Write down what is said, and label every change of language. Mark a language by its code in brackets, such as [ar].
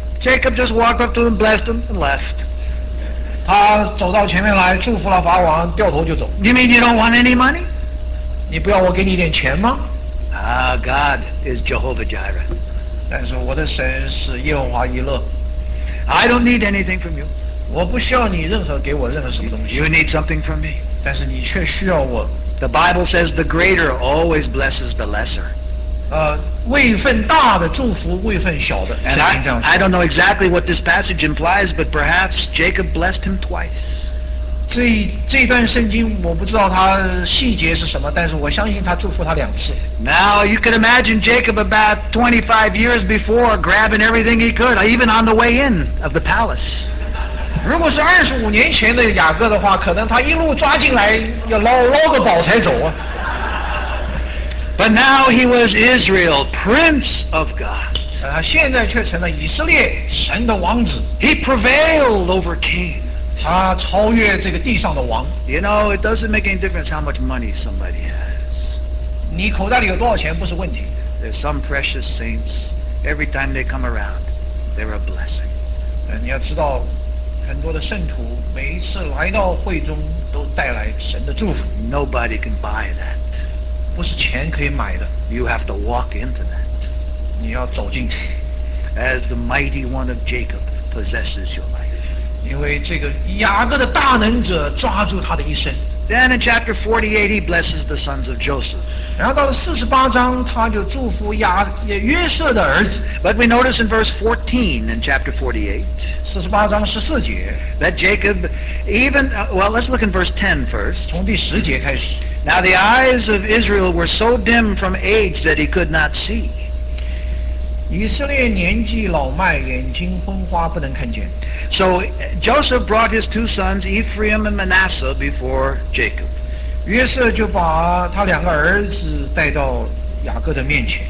[en] Jacob just walked up to him, blessed him, and left. [zh] 他走到前面来祝福了法老王，掉头就走。 [en] You mean you don't want any money? [zh] 你不要我给你一点钱吗？ [en] Ah, God is Jehovah Jireh. [zh] 但是我的神是耶和华以勒。 [en] I don't need anything from you. [zh] 我不需要你任何给我任何什么东西。 [en] You need something from me. [zh] 但是你却需要我。 [en] The Bible says the greater always blesses the lesser. [zh] 位份大的祝福位份小的。 [en] And I don't know exactly what this passage implies, but perhaps Jacob blessed him twice. [zh] 这段圣经我不知道它细节是什么，但是我相信他祝福他两次。 [en] Now you can imagine Jacob about 25 years before grabbing everything he could, even on the way in of the palace. [zh] 如果是25年前的雅各的话，可能他一路抓进来要捞个宝才走啊。 [en] But now he was Israel, prince of God. [zh] 他现在却成了以色列神的王子。 [en] He prevailed over kings. [zh] 他超越这个地上的王。 [en] You know, it doesn't make any difference how much money somebody has. [zh] 你口袋里有多少钱不是问题。 [en] There's some precious saints. Every time they come around, they're a blessing. [zh] 你要知道，很多的圣徒每一次来到会中都带来神的祝福。 [en] Nobody can buy that. [zh] 不是钱可以买的。 [en] You have to walk into that. [zh] 你要走进去。 [en] As the mighty one of Jacob possesses your life. [zh] 因为这个雅各的大能者抓住他的一生。 [en] Then in chapter 48, he blesses the sons of Joseph. [zh] 然后到了48章，他就祝福约瑟的儿子。 [en] But we notice in verse 14 in chapter 48, [zh] 48章14节 [en] that Jacob, let's look in verse 10 first. [zh] 从第十节开始。 [en] Now the eyes of Israel were so dim from age that he could not see. [zh] 以色列年纪老迈，眼睛昏花，不能看见。 [en] So Joseph brought his two sons, Ephraim and Manasseh, before Jacob. [zh] 约瑟就把他两个儿子带到雅各的面前。